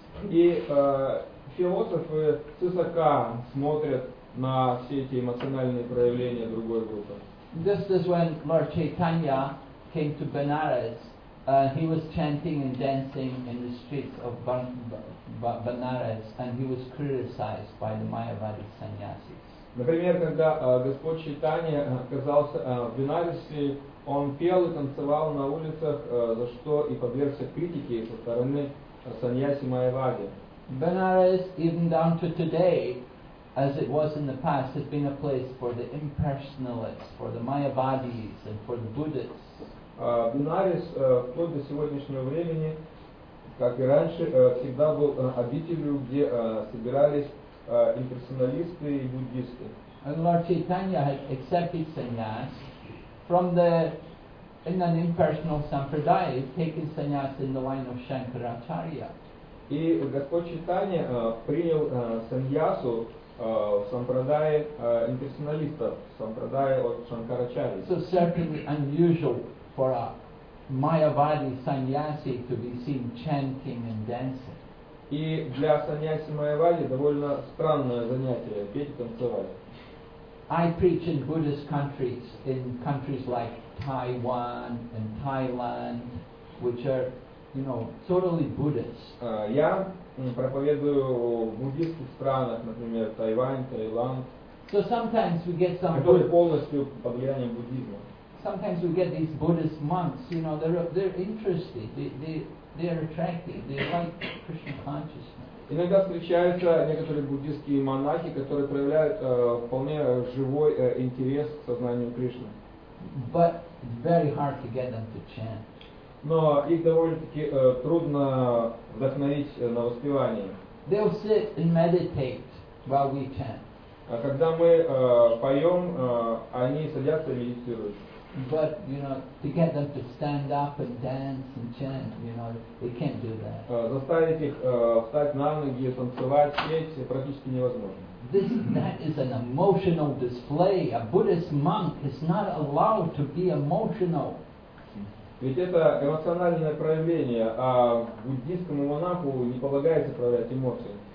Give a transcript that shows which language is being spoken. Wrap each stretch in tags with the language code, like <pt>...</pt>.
<ru>И философы свысока смотрят на все эти эмоциональные проявления другой группы.</ru> <en>This is when Lord Chaitanya came to Benares. He was chanting and dancing in the streets of Benares, and he was criticized by the Mayavadi sannyasis.</en> <ru>Например, когда Господь Чайтанья оказался в Бенаресе, он пел и танцевал на улицах, за что и подвергся критике со стороны сannyasi Mayavadi.</ru> <en>Benares, even down to today, as it was in the past, has been a place for the impersonalists, for the Mayavadis, and for the Buddhists.</en> <ru>Бинарис вплоть до сегодняшнего времени, как и раньше, всегда был обителью, где собирались имперсоналисты и буддисты.</ru> <en>And Lord Chaitanya had accepted sannyas from the in an impersonal sampradaya, taking sannyas in the line of Shankaracharya.</en> <ru>И Господь Чайтанья принял саньясу в сампрадае имперсоналистов, в сампрадае от Шанкарачарьи.</ru> <en>So certainly unusual for a Mayavadi sannyasi to be seen chanting and dancing.</en> <ru>И для саньяси Майявади довольно странное занятие – петь и танцевать.</ru> <en>I preach in Buddhist countries, in countries like Taiwan and Thailand, which are, you know, totally Buddhist.</en> <ru>Я проповедую в буддийских странах, например, Тайвань, Таиланд.</ru> <en>So sometimes we get some.</en> <ru>Которые полностью под влиянием буддизма.</ru> <en>Sometimes we get these Buddhist monks. You know, they're interesting. They're attractive. They like Krishna consciousness.</en> <ru>Иногда встречаются некоторые буддийские монахи, которые проявляют вполне живой интерес к сознанию Кришны.</ru> <en>But it's very hard to get them to chant.</en> <ru>Но их довольно-таки трудно вдохновить на воспевание.</ru> <en>They'll sit and meditate while we chant.</en> <ru>А когда мы поем, они садятся и медитируют.</ru> <en>But you know, to get them to stand up and dance and chant, you know, they can't do that.</en> <ru>Заставить их встать на ноги, танцевать, петь практически невозможно.</ru> <en>That is an emotional display. A Buddhist monk is not allowed to be emotional.</en> <ru>Ведь это эмоциональное проявление, а буддийскому монаху не полагается проявлять эмоции.</ru>